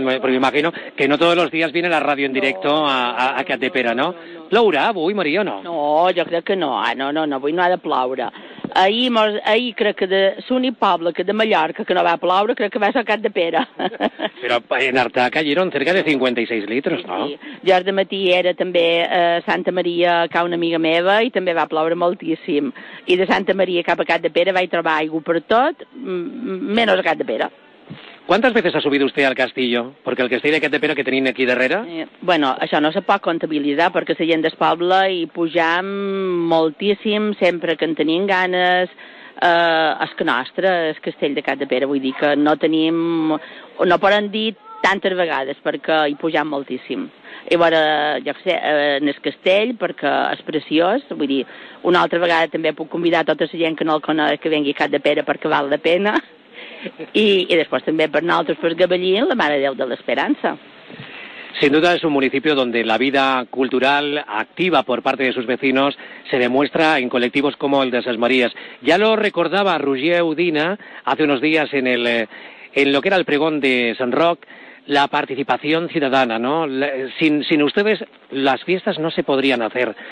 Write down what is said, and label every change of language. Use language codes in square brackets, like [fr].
[es] Porque me imagino que no todos los días viene la radio en directo a Capdepera, ¿no? [ca] ¿Plourà avui, Maria, o no? No, jo crec que no. No, avui no ha de ploure. Ahir crec que de l'únic poble que de Mallorca que no va a ploure, crec que va ser a Capdepera. Però en Artà [es] cayeron cerca de 56 litres, no? [ca] Sí. Jo de matí era també a Santa Maria, que una amiga meva, i també va ploure moltíssim. I de Santa Maria cap a Capdepera vaig trobar aigua per tot, menys a Capdepera. [es] ¿Cuántas veces ha subido usted al castillo? Porque el castillo de Capdepera [ca] que tenim aquí darrere... Bueno, això no se pot comptabilitzar perquè la gent del poble hi pujam moltíssim sempre que en tenim ganes. És que nostre, el castell de Capdepera, vull dir que no tenim... No poden dir tantes vegades perquè hi pujam moltíssim. I veure, ja sé, en el castell perquè és preciós, vull dir, una altra vegada també puc convidar tota la gent que no el coneix que vengui a Capdepera perquè val la pena. I després també per nosaltres, per Gavellín, la Mare Déu de l'Esperança. [es] Sin duda es un municipio donde la vida cultural activa por parte de sus vecinos se demuestra en colectivos como el de Ses Maries. Ya lo recordaba Roger Udina hace unos días en lo que era el pregón de Sant Roc, la participación ciudadana, ¿no? Sin ustedes las fiestas no se podrían hacer.